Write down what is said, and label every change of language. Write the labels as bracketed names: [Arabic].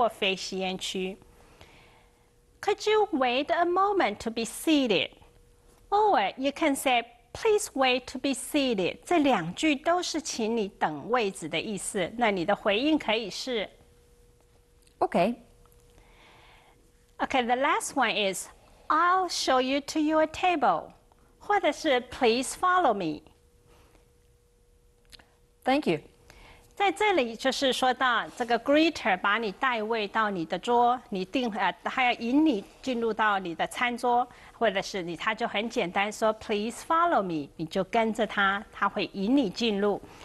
[Chinese] 订约的时候，可能这个问题很简单，就问人家吸烟区或非吸烟区。 [English] Could you wait a moment to be seated? Or you can say, please wait to be seated. [Chinese] 这两句都是请你等位置的意思。那你的回应可以是 [English] Okay. Okay, the last one is, I'll show you to your table. [Chinese] 或者是 [English] please follow me. Thank you. [Chinese] 在这里就是说到这个 greeter 把你带位到你的桌，你定还要引你进入到你的餐桌，或者是你他就很简单说 [English] please follow me， [Chinese] 你就跟着他，他会引你进入。